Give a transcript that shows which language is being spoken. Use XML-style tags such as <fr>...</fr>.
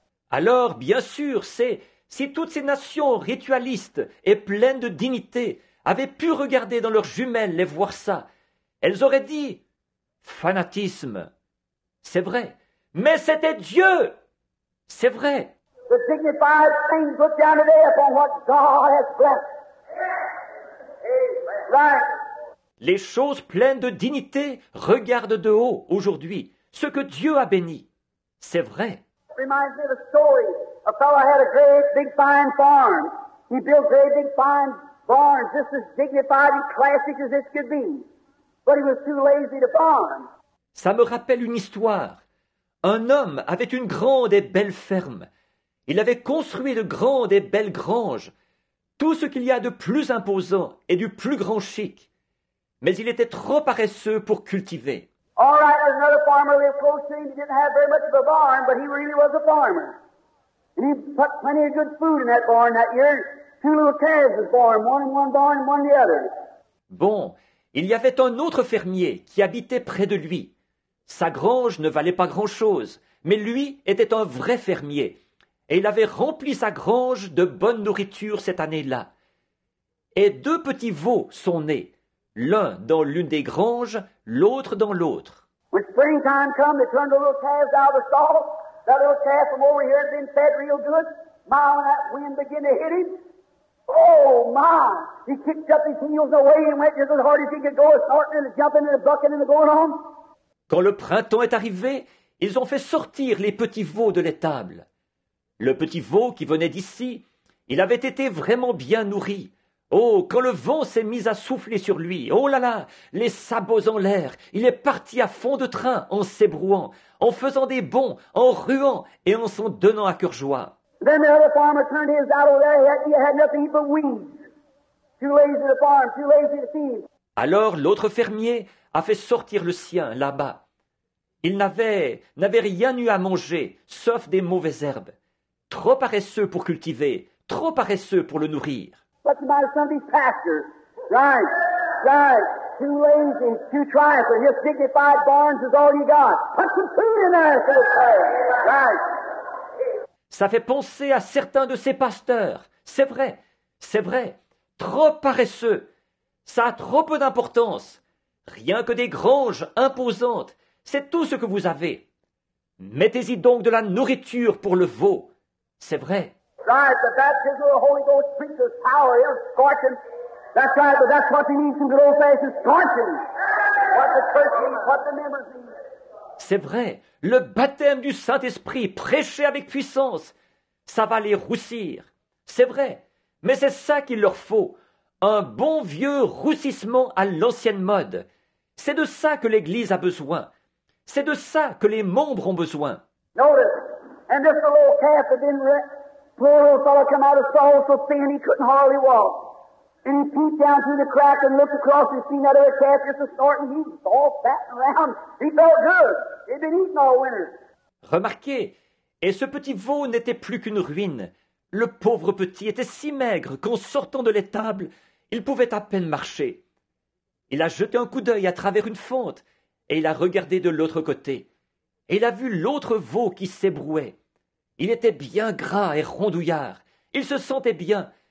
<fr>Alors, bien sûr, c'est si toutes ces nations ritualistes et pleines de dignité avaient pu regarder dans leurs jumelles et voir ça, elles auraient dit « fanatisme ». C'est vrai, mais c'était Dieu. C'est vrai.</fr> <en>The dignified things look down today upon what God has blessed. Right.</en> <fr>Les choses pleines de dignité regardent de haut aujourd'hui ce que Dieu a béni. C'est vrai.</fr> <en>Reminds me of a story. A fellow had a great big fine farm. He built great big fine barns, just as dignified and classic as it could be. But he was too lazy to farm.</en> <fr>Ça me rappelle une histoire. Un homme avait une grande et belle ferme. Il avait construit de grandes et belles granges, tout ce qu'il y a de plus imposant et du plus grand chic. Mais il était trop paresseux pour cultiver.</fr> <en>All right, there's another farmer lived close to him. He didn't have very much of a barn, but he really was a farmer. And he put plenty of good food in that barn that year. Two little calves was born, one in one barn and one in the other.</en> <fr>Bon. Il y avait un autre fermier qui habitait près de lui. Sa grange ne valait pas grand-chose, mais lui était un vrai fermier, et il avait rempli sa grange de bonne nourriture cette année-là. Et deux petits veaux sont nés, l'un dans l'une des granges, l'autre dans l'autre.</fr> <en>When springtime come, they turned the little calves out of the stall. That little calf from over here had been fed real good. My, when that wind began to hit him. Oh, my! He kicked up his heels away and went just as hard as he could go, snorting and jumping and bucking and going on.</en> <fr>Quand le printemps est arrivé, ils ont fait sortir les petits veaux de l'étable. Le petit veau qui venait d'ici, il avait été vraiment bien nourri, Oh, quand le vent s'est mis à souffler sur lui, oh là là, les sabots en l'air, il est parti à fond de train en s'ébrouant, en faisant des bonds, en ruant et en s'en donnant à cœur joie.</fr> <en>Then the other farmer turned his out over there, he had nothing but weeds. Too lazy to farm, too lazy to feed.</en> <fr>Alors l'autre fermier a fait sortir le sien là-bas. Il n'avait rien eu à manger, sauf des mauvaises herbes. Trop paresseux pour cultiver, trop paresseux pour le nourrir.</fr> <en>What's the matter with some of these pastors? Right. Too lazy, too trifling. Just dignified barns is all you got. Put some food in there, so to say. Right.</en> <fr>Ça fait penser à certains de ces pasteurs. C'est vrai. Trop paresseux. Ça a trop peu d'importance. Rien que des granges imposantes. C'est tout ce que vous avez. Mettez-y donc de la nourriture pour le veau. C'est vrai.</fr> <en>Right, the baptism of the Holy Ghost preaches power, scorching. That's right, but that's what they need from good old fashioned scorching. What the church needs, what the members need.</en> <fr>C'est vrai, le baptême du Saint-Esprit prêché avec puissance, ça va les roussir. C'est vrai, mais c'est ça qu'il leur faut, un bon vieux roussissement à l'ancienne mode. C'est de ça que l'Église a besoin. C'est de ça que les membres ont besoin.</fr> <en>Notice, and this little calf that didn't rest, poor old fellow come out of Saul so thin he couldn't hardly walk. And he peeped down through the crack and looked across and seen that other calf just a snorting. He was all fat and round. He felt good. He'd been eating all winter.</en> <fr>Remarquez, et ce petit veau n'était plus qu'une ruine. Le pauvre petit était si maigre qu'en sortant de l'étable, il pouvait à peine marcher. Il a jeté un coup d'œil à travers une fente et il a regardé de l'autre côté. Et il a vu l'autre veau qui s'ébrouait. Il était bien gras et rondouillard. Il se sentait bien.</fr>